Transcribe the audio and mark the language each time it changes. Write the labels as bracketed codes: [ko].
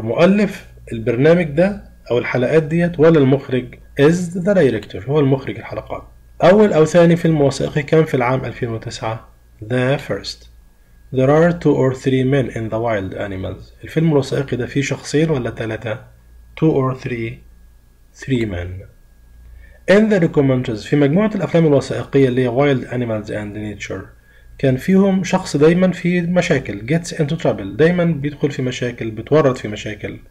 [ar] هل مؤلف البرنامج ده أو الحلقات ديت ولا المخرج [en] is the director [ar] هو المخرج الحلقات. أول أو ثاني فيلم وثائقي كان في العام 2009. [en] The first. There are two or three men in the wild animals. [ar] الفيلم الوثائقي ده فيه شخصين ولا ثلاثة؟ [en] Two or three. Three men. In the documentaries [ar] في مجموعة الأفلام الوثائقية اللي هي Wild Animals and Nature كان فيهم شخص دايما في مشاكل [en] gets into trouble [ar] دايما بيدخل في مشاكل بتورط في مشاكل.